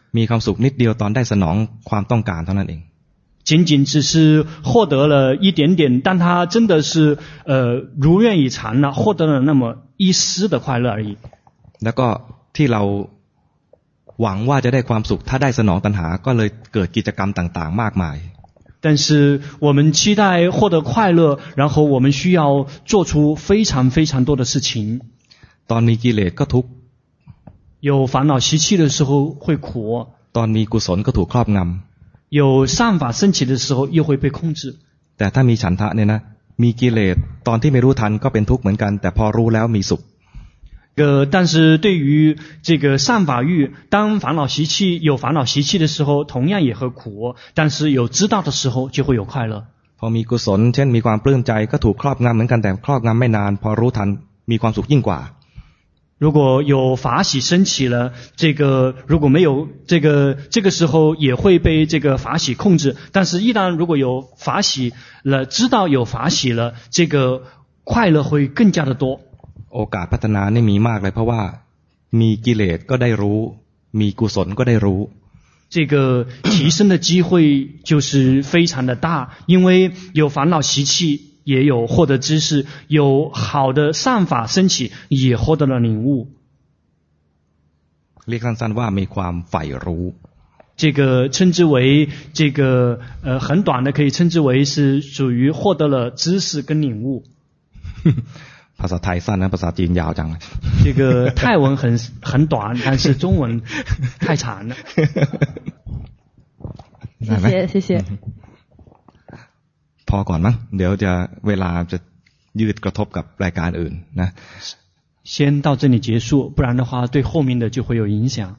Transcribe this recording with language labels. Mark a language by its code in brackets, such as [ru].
[th] มีความสุขนิดเดียวตอนได้สนองความต้องการเท่านั้นเอง [zh] 仅仅只是获得了一点点，但他真的是如愿以偿了，获得了那么一丝的快乐而已。 [th] แล้วก็ที่เราหวังว่าจะได้ความสุขถ้าได้สนองตัณหาก็เลยเกิดกิจกรรมต่างๆมากมาย。 [zh] 但是我们期待获得快乐，然后我们需要做出非常非常多的事情。 [th] ตอนมีกิเลสก็ทุกข์ [zh] 有烦恼习气的时候会苦。 [th] ตอนมีกุศลก็ถูกครอบงำ [zh] 有善法升起的时候又会被控制 [th] แต่ถ้ามีฉันทะเนี่ยนะมีกิเลสตอนที่ไม่รู้ทันก็เป็นทุกข์เหมือนกันแต่พอรู้แล้วมีสุข [zh] 但是对于这个善法欲当烦恼习气有烦恼习气的时候同样也会苦但是有知道的时候就会有快乐 [th] พอมีกุศลเช่นมีความปลื้มใจก็ถูกครอบงำเหมือนกันแต่ครอบงำไม่นานพอรู้ทันมีความสุขยิ่งกว่า [zh] 如果有法喜升起了这个如果没有这个时候也会被这个法喜控制但是一旦如果有法喜了知道有法喜了这个快乐会更加的多 [th] โอกาสพัฒนานี่มีมากเลยเพราะว่ามีกิเลสก็ได้รู้มีกุศลก็ได้รู้ [zh] 这个提升的机会就是非常的大因为有烦恼习气也有获得知识，有好的善法升起，也获得了领悟。 [th] เรียกสั้นๆว่ามีความใฝ่รู้。 [zh] 这个称之为这个很短的，可以称之为是属于获得了知识跟领悟。 [th] ภาษาไทยสั้นนะภาษาจีนยาวจังเลย。 [zh] 这个泰文很短，但是中文太长了。谢谢谢谢。 [th] พอก่อนมั้งเดี๋ยวจะเวลาจะยืดกระทบกับรายการอื่นนะ [zh] 先到这里结束不然的话对后面的就会有影响